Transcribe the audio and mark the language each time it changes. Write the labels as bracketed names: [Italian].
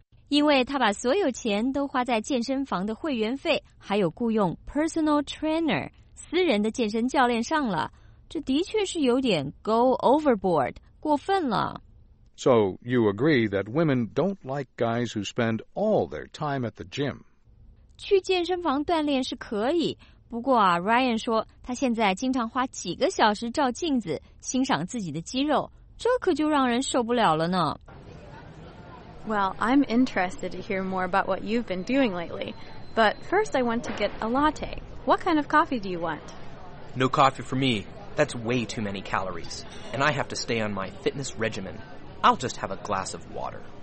[Chinese] 因为他把所有钱都花在健身房的会员费，还有雇用 personal trainer, 私人的健身教练上了。这的确是有点 go overboard, 过分了。 [English] So you agree that women don't like guys who spend all their time at the gym? [Chinese] 去健身房锻炼是可以，不过啊 ，Ryan 说他现在经常花几个小时照镜子欣赏自己的肌肉，这可就让人受不了了呢。 [English] Well, I'm interested to hear more about what you've been doing lately, but first I want to get a latte. What kind of coffee do you want? No coffee for me. That's way too many calories, and I have to stay on my fitness regimen. I'll just have a glass of water.